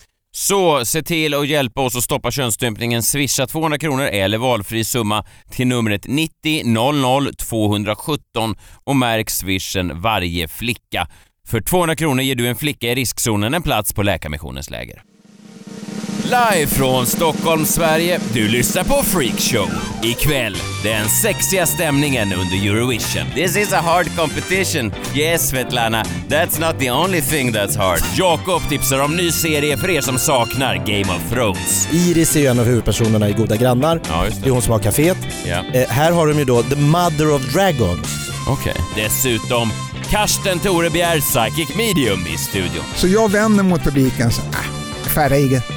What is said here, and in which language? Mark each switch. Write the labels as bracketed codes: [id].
[sv] Så se till att hjälpa oss att stoppa könsstympningen. Swisha 200 kronor eller valfri summa till numret 90 00 217 och märk swishen Varje flicka. För 200 kronor ger du en flicka i riskzonen en plats på Läkarmissionens läger. Live från Stockholm, Sverige. Du lyssnar på Freak Show. Ikväll, den sexiga stämningen under Eurovision. [en] This is a hard competition. Yes, Svetlana. That's not the only thing that's hard. [sv] Jakob tipsar om ny serie för er som saknar Game of Thrones. Iris är en av huvudpersonerna i Goda grannar. Ja, just det. Det är hon som har kaféet. Ja. Här har de ju då The Mother of Dragons. Okej. Okay. Dessutom Karsten Torebjer, psychic medium i studion. Så jag vänder mot publiken så färdiga.